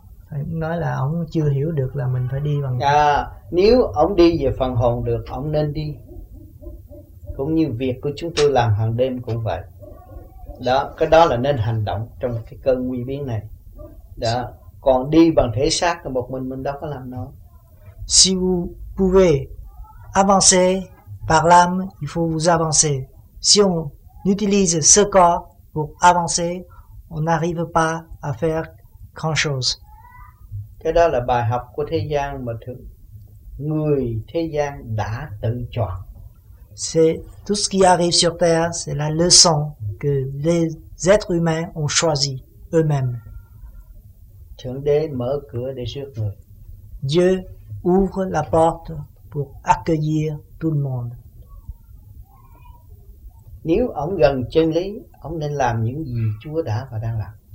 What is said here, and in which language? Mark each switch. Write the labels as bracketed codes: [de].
[vi] Thầy nói là ông chưa hiểu được là mình phải đi bằng Nếu ông đi về phần hồn được, ông nên đi. Cũng như việc của chúng tôi làm hàng đêm cũng vậy. Đó, cái đó là nên hành động trong cái cơn nguy biến này. Đó, còn đi bằng thể xác thì một mình đâu có làm nó. [fr] Si vous pouvez avancer par l'âme, il faut vous avancer. Si on utilise ce corps pour avancer, on n'arrive pas à faire grand chose. [vi] Cái đó là bài học của thế gian mà người thế gian đã tự chọn. [fr] C'est tout ce qui arrive sur terre, c'est la leçon que les êtres humains ont choisi eux-mêmes. [vi] Thượng Đế mở cửa để rước người. [fr] Dieu ouvre la porte pour accueillir tout le monde. [vi] Nếu ông gần chân lý, ông nên làm những gì Chúa đã và đang làm.